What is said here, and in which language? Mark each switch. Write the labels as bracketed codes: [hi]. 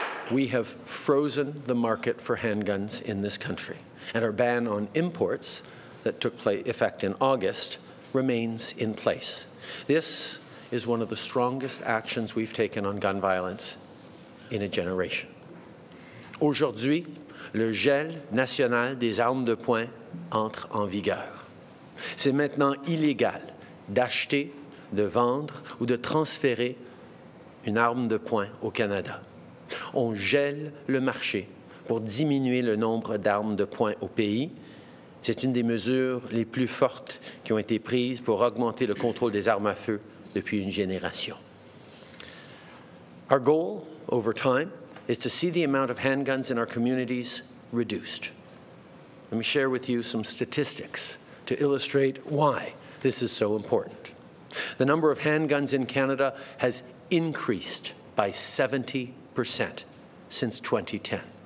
[en] We have frozen the market for handguns in this country, and our ban on imports that took effect in August remains in place. This is one of the strongest actions we've taken on gun violence in a generation. [fr] Aujourd'hui, le gel national des armes de poing entre en vigueur. C'est maintenant illégal d'acheter, de vendre ou de transférer une arme de poing au Canada. on gèle le marché pour diminuer le nombre d'armes de poing au pays. C'est une des mesures les plus fortes qui ont été prises pour augmenter le contrôle des armes à feu depuis une génération. [en] Our goal over time is to see the amount of handguns in our communities reduced. Let me share with you some statistics to illustrate why this is so important. The number of handguns in Canada has increased by 70% since 2010.